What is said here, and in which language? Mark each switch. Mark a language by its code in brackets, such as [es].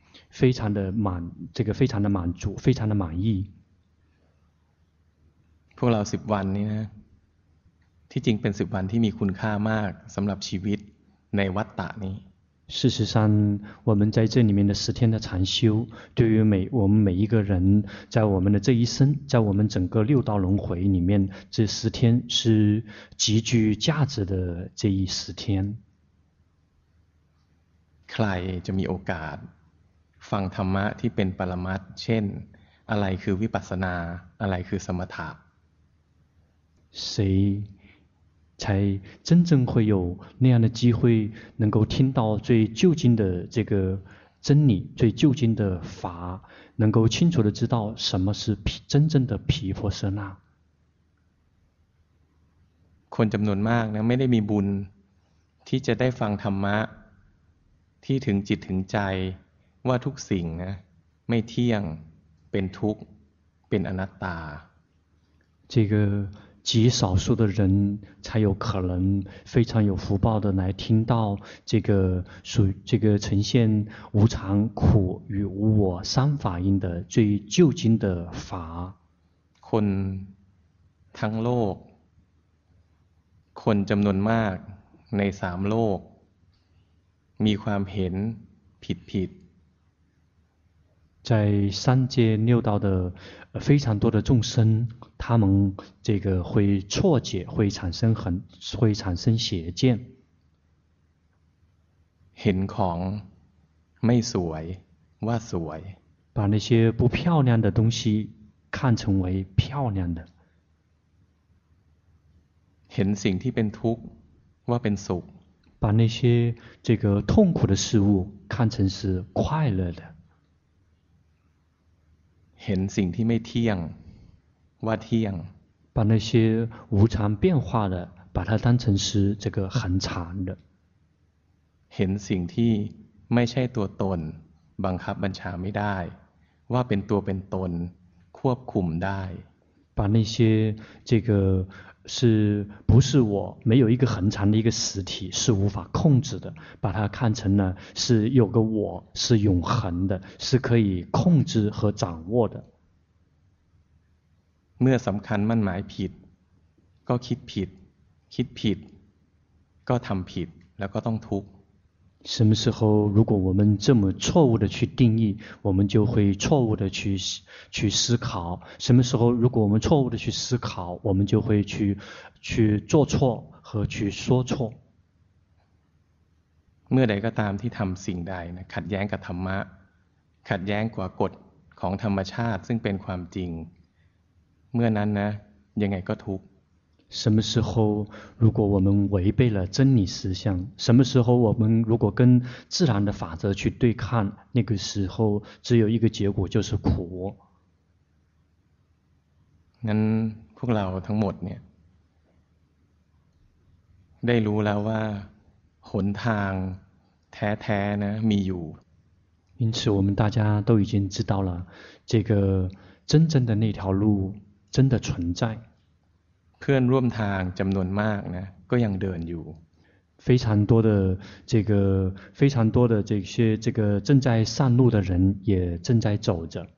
[zh] 非常的满，这个非常的满足，非常的满意。 [th] พวกเรา10วันนี้นะที่จริงเป็น10วันที่มีคุณค่ามากสำหรับชีวิตในวัฏฏะนี้ [zh] 事实上我们在这里面的10天的禅修对于我们每一个人在我们的这一生在我们整个六道轮回里面这10天是极具价值的这一10天 [th] ใครจะมีโอกาสฟังธรรมะที่เป็นปรมัตถ์เช่นอะไรคือวิปัสสนาอะไรคือสมถะ [zh] 谁才真正会有那样的机会能够听到最究竟的这个真理最究竟的法能够清楚地知道什么是真正的毗婆舍那 [th] คนจำนวนมากนะไม่ได้มีบุญที่จะได้ฟังธรรมะที่ถึงจิตถึงใจว่าทุกสิ่งนะไม่เที่ยงเป็นทุกข์เป็นอนัตตา [zh] 这个极少数的人才有可能非常有福报的来听到这个属这个呈现无常苦与无我三法印的最究竟的法 [th] คนทั้งโลกคนจำนวนมากใน3โลกมีความเห็นผิด [zh] 在三界六道的非常多的众生他们这个会错解会产生邪见 [th] เห็นของไม่สวยว่าสวย [zh] 把那些不漂亮的东西看成为漂亮的 [th] เห็นสิ่งที่เป็นทุกข์ว่าเป็นสุข [zh] 把那些这个痛苦的事物看成是快乐的 [th] เห็นสิ่งที่ไม่เที่ยงว่าเที่ยง [zh] 把那些无常变化的把它当成是这个恒常的 [th] เห็นสิ่งที่ไม่ใช่ตัวตนบังคับบัญชาไม่ได้ว่าเป็นตัวเป็นตนควบคุมได้ [zh] 把那些这个是不是我没有一个恒常的一个实体是无法控制的把它看成呢是有个我是永恒的是可以控制和掌握的 [th] เมื่อสำคัญมั่นหมายผิดก็คิดผิดก็ทำผิดแล้วก็ต้องทุกข์ [zh] 什么时候如果我们这么错误的去定义我们就会错误的去思考什么时候如果我们错误的去思考我们就会去做错和去说错 [th] เมื่อใดก็ตามที่ทำสิ่งใดขัดแย้งกับธรรมะขัดแย้งกับกฎของธรรมชาติซึ่งเป็นความจริงเมื่อนั้นนะยังไงก็ทุกข์ [zh] 什么时候如果我们违背了真理实相什么时候我们如果跟自然的法则去对抗那个时候只有一个结果就是苦 [th] งั้นพวกเราทั้งหมดเนี่ยได้รู้แล้วว่าหนทางแท้ๆนะมีอยู่ [zh] 因此我们大家都已经知道了这个真正的那条路真的存在 [th] เพื่อนร่วมทางจำนวนมากนะก็ยังเดินอยู่ [zh] 非常多的这个非常多的这些这个正在上路的人也正在走着